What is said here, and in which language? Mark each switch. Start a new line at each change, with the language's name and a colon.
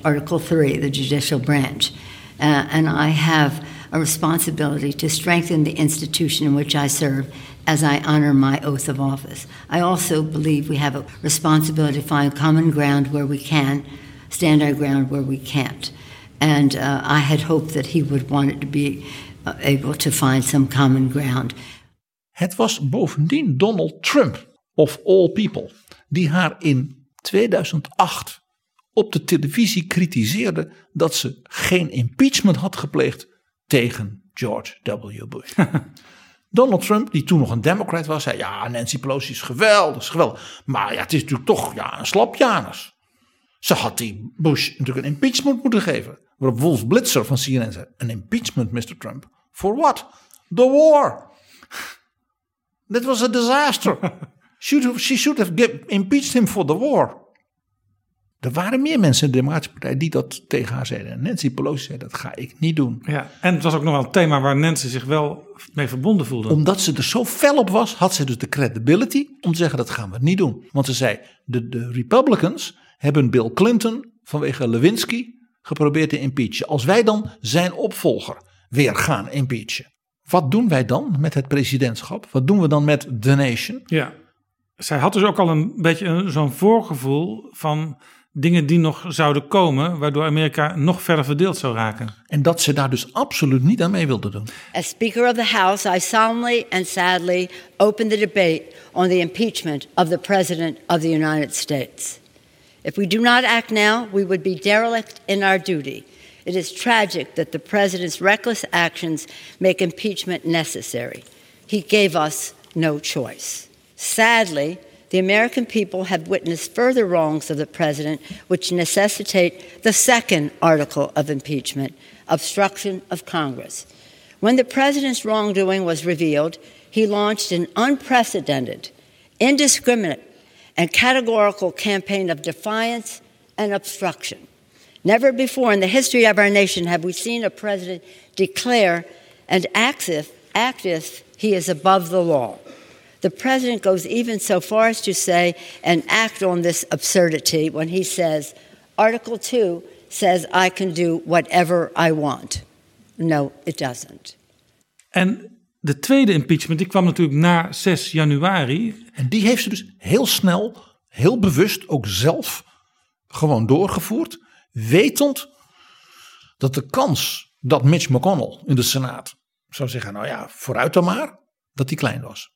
English: Article 3, the judicial branch. And I have a responsibility to strengthen the institution in which I serve as I honor my oath of office. I also believe we have a responsibility to find common ground where we can, stand our ground where we can't. And I had hoped that he would want it to be able to find some common ground.
Dutch: Het was bovendien Donald Trump,
English: of all people,
Dutch: die haar in 2008 op de televisie kritiseerde dat ze geen impeachment had gepleegd tegen George W. Bush. Donald Trump, die toen nog een Democrat was, zei, ja, Nancy Pelosi is geweldig, Maar ja, het is natuurlijk toch ja, een slapjanus. Ze had die Bush natuurlijk een impeachment moeten geven. Waarop Wolf Blitzer van CNN zei, een impeachment, Mr.
English: Trump? For what? The war. That was a disaster. She should have impeached him for the war.
Dutch: Er waren meer mensen in de Democratische Partij die dat tegen haar zeiden. En Nancy Pelosi zei, dat ga ik niet doen. Ja, en het was ook nog wel een thema waar Nancy zich wel mee verbonden voelde. Omdat ze er zo fel op was, had ze dus de credibility om te zeggen, dat gaan we niet doen. Want ze zei, de Republicans hebben Bill Clinton vanwege Lewinsky geprobeerd te impeachen. Als wij dan zijn opvolger weer gaan impeachen. wat doen wij dan met het presidentschap? Wat doen we dan met
English: the nation?
Dutch: Ja, zij had dus ook al een beetje zo'n voorgevoel van dingen die nog zouden komen, waardoor Amerika nog verder verdeeld zou raken. En dat ze daar dus absoluut niet aan mee wilde doen.
English: As Speaker of the House, I solemnly and sadly open the debate on the impeachment of the President of the United States. If we do not act now, we would be derelict in our duty. It is tragic that the president's reckless actions make impeachment necessary. He gave us no choice. Sadly, the American people have witnessed further wrongs of the president, which necessitate the second article of impeachment, obstruction of Congress. When the president's wrongdoing was revealed, he launched an unprecedented, indiscriminate, and categorical campaign of defiance and obstruction. Never before in the history of our nation have we seen a president declare and act as if he is above the law. The president goes even so far as to say and act on this absurdity when he says, Article 2 says I can do whatever I want. No, it doesn't. And the
Dutch: tweede impeachment, die kwam natuurlijk na 6 januari. En die heeft ze dus heel snel, heel bewust ook zelf gewoon doorgevoerd. Wetend dat de kans dat Mitch McConnell in de Senaat zou zeggen, nou ja, vooruit dan maar, dat die klein was.